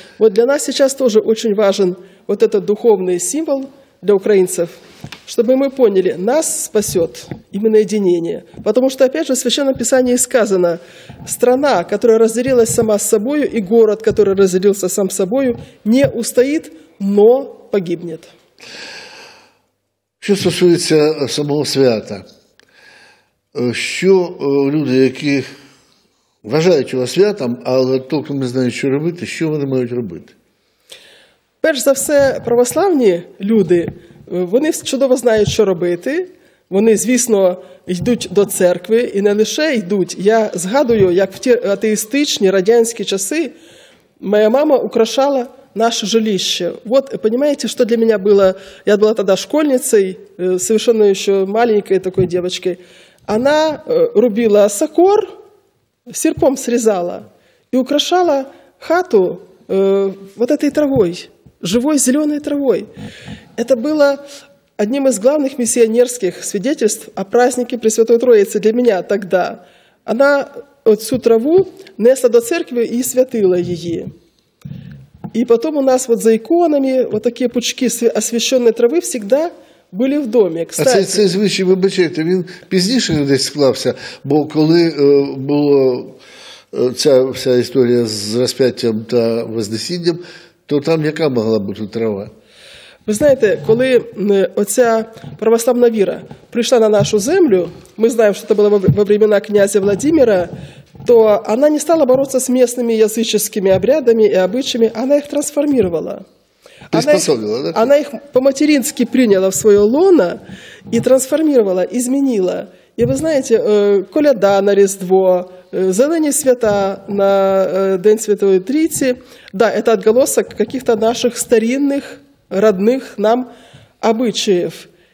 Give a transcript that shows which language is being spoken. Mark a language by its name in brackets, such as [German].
[Russian] Вот для нас сейчас тоже очень важен вот этот духовный символ для украинцев, чтобы мы поняли, нас спасет именно единение. Потому что, опять же, в Священном Писании сказано, страна, которая разделилась сама с собою, и город, который разделился сам с собою, не устоит, но погибнет. [Ukrainian] Що стосується самого свята, що люди, які вважають його святом, але толком не знають, що робити, що вони мають робити? Перш за все, православні люди, вони чудово знають, що робити. Вони, звісно, йдуть до церкви, і не лише йдуть. Я згадую, як в ті атеїстичні радянські часи моя мама [Russian] украшала наше жилище. Вот, понимаете, что для меня было, я была тогда школьницей, совершенно еще маленькой такой девочкой, она рубила сокор, серпом срезала и украшала хату вот этой травой, живой зеленой травой. Это было одним из главных миссионерских свидетельств о празднике Пресвятой Троицы для меня тогда. Она вот всю траву несла до церкви и святила ее. И потом у нас вот за иконами вот такие пучки освященной травы всегда были в доме. [Ukrainian] Кстати, а цей звичай, вибачайте, він пізніше десь склався, бо коли була ця вся історія з розп'яттям та вознесінням, то там яка могла бути трава? Ви знаєте, коли оця православна віра прийшла на нашу землю, ми знаємо, що це було [Russian] во времена князя Владимира, то она не стала бороться с местными языческими обрядами и обычаями, она их трансформировала. Приспособила, да? Она их по-матерински приняла в свое лоно и трансформировала, изменила. И вы знаете, коляда [Ukrainian] на Різдво, зелені свята на День Святої Трійці, [Russian] да, это отголосок каких-то наших старинных, родных нам обычаев.